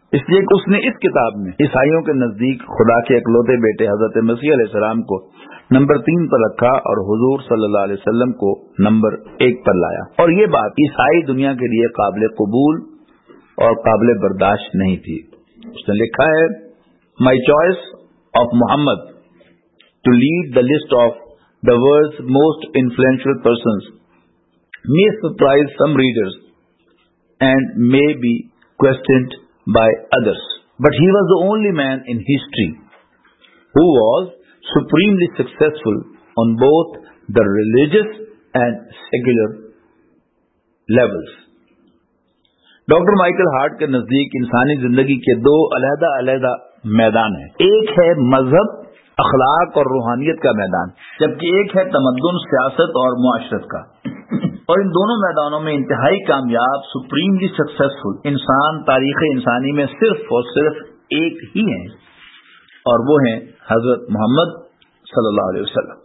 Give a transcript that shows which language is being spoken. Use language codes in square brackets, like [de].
[ur] اس لیے کہ اس نے اس کتاب میں عیسائیوں کے نزدیک خدا کے اکلوتے بیٹے حضرت مسیح علیہ السلام کو نمبر 3 پر رکھا اور حضور صلی اللہ علیہ وسلم کو نمبر 1 پر لایا. اور یہ بات عیسائی دنیا کے لیے قابل قبول اور قابل برداشت نہیں تھی. اس نے لکھا ہے [en] My choice of Muhammad to lead the list of the world's most influential persons may surprise some readers and may be questioned by others. But he was the only man in history who was supremely successful on both the religious and secular levels. [ur] Doctor Michael Hart کے نزدیک انسانی زندگی کے دو علیحدہ علیحدہ میدان ہیں. ایک ہے مذہب، اخلاق اور روحانیت کا میدان، جبکہ ایک ہے تمدن، سیاست اور معاشرت کا. اور ان دونوں میدانوں میں انتہائی کامیاب، [en] supremely successful [ur] انسان تاریخ انسانی میں صرف اور صرف ایک ہی ہیں، اور وہ ہیں حضرت محمد صلی اللہ علیہ وسلم.